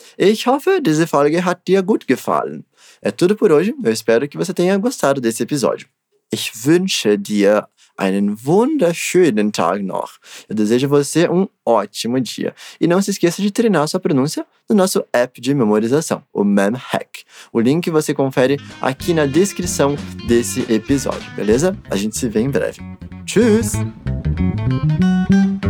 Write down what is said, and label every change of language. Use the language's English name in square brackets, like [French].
[German] Ich hoffe, diese Folge hat dir gut gefallen. [Portuguese] É tudo por hoje. Eu espero que você tenha gostado desse episódio. [German] Ich wünsche dir einen wunderschönen Tag noch. [Portuguese] Eu desejo a você um ótimo dia. E não se esqueça de treinar sua pronúncia no nosso app de memorização, o MemHack. O link você confere aqui na descrição desse episódio, beleza? A gente se vê em breve. [German] Tschüss!